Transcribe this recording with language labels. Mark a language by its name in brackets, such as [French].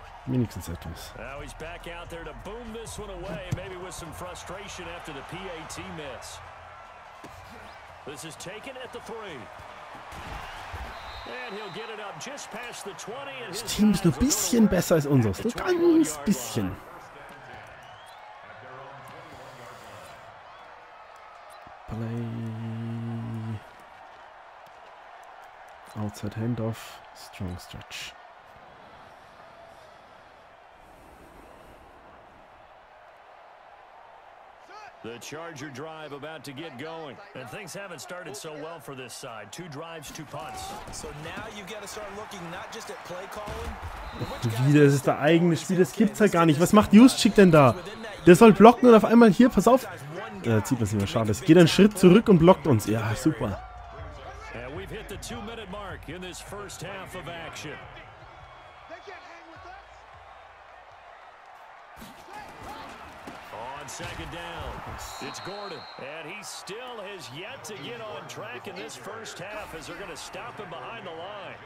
[English] Now he's back out there to boom this one away, maybe with some frustration after the PAT miss. This is taken at the 3. And he'll get it up just past the 20. [German] Das Team ist nur ein bisschen besser als unseres. Nur ganz bisschen. [English] Play. Outside handoff. Strong stretch. The Charger drive about to get going. And things haven't started so well for this side. Two drives, two punts. So now you've got to start looking not just at play calling. [German] Wieder, das ist der eigene Spiel, das gibt's ja gar nicht. Was macht Juszczyk denn da? Der soll blocken und auf einmal hier, pass auf. Zieht das nicht mehr, schade. Geht einen Schritt zurück und blockt uns. Ja, super. [English] We've hit the the 2 minute mark in this first half of action. They can't hang with us. On second down, it's Gordon. And he still has yet to get on track in this first half as they're going to stop him behind the line.